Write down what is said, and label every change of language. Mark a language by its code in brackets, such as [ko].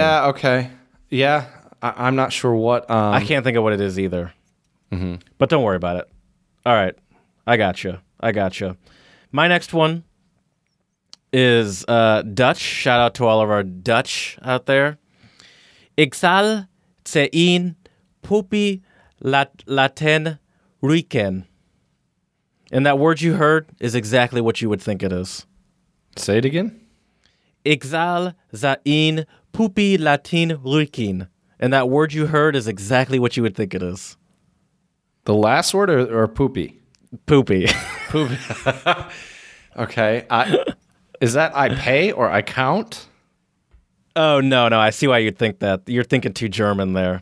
[en] Yeah, okay. Yeah, I'm not sure what... I can't think of what it is either. Mm-hmm. But don't worry about it. All right, I gotcha. My next one is Dutch. Shout out to all of our Dutch out there. [nl] Ik zal ze in poepi laten ruiken. [en] And that word you heard is exactly what you would think it is. Say it again. [nl] Ik zal ze in poepi laten ruiken. [en] And that word you heard is exactly what you would think it is. The last word or poopy? Poopy. Poopy. Okay. Is that I pay or I count? Oh, no. I see why you'd think that. You're thinking too German there.